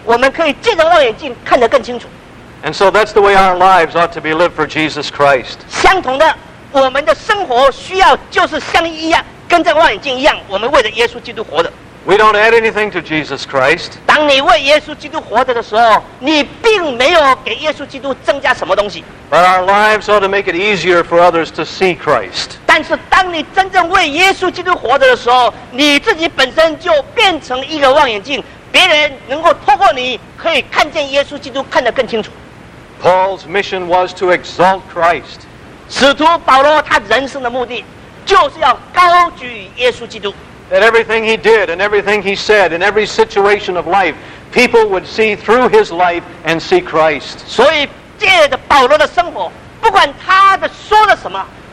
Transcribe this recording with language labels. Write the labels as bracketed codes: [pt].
[zh] 但是望远镜只是让我们看到我们的肉眼看不见的东西，我们可以借着望远镜看得更清楚。 [en] And so that's the way our lives ought to be lived for Jesus Christ. [zh] 相同的，我们的生活需要就是像一样，跟这望远镜一样，我们为着耶稣基督活着。 [en] We don't add anything to Jesus Christ. [zh] 当你为耶稣基督活着的时候，你并没有给耶稣基督增加什么东西。 [en] But our lives ought to make it easier for others to see Christ. [zh] 但是当你真正为耶稣基督活着的时候，你自己本身就变成一个望远镜，别人能够透过你可以看见耶稣基督，看得更清楚。Paul's [en] mission was to exalt Christ. [zh] 使徒保罗他人生的目的就是要高举耶稣基督。 [en] That everything he did and everything he said in every situation of life, people would see through his life and see Christ. [zh] 所以借着保罗的生活，不管他说了什么。